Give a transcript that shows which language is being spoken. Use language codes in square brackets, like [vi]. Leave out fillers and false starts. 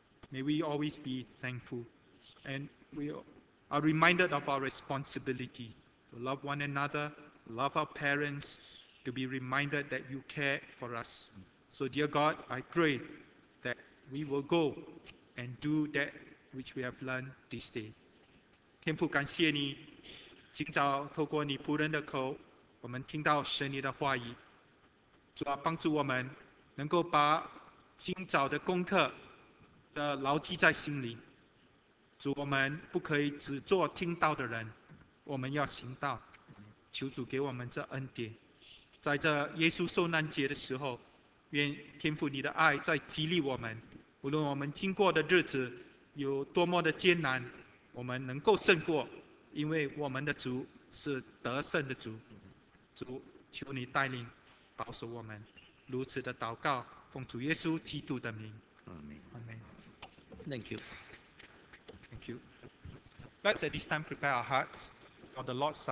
[en] May we always be thankful. And we are reminded of our responsibility to love one another, love our parents, to be reminded that you care for us. So, dear God, I pray that we will go and do that which we have learned this day. [zh] 天父，感谢你，今早透过你仆人的口，我们听到神你的话语。主啊，帮助我们能够把今早的功课的牢记在心里。主，我们不可以只做听到的人，我们要行道。求主给我们这恩典，在这耶稣受难节的时候，愿天父你的爱在激励我们，无论我们经过的日子有多么的艰难，我们能够胜过，因为我们的主是得胜的主。主，求你带领保守我们，如此的祷告奉主耶稣基督的名。 [en] Amen. Thank you. Thank you. Let's at this time prepare our hearts for the Lord's Supper.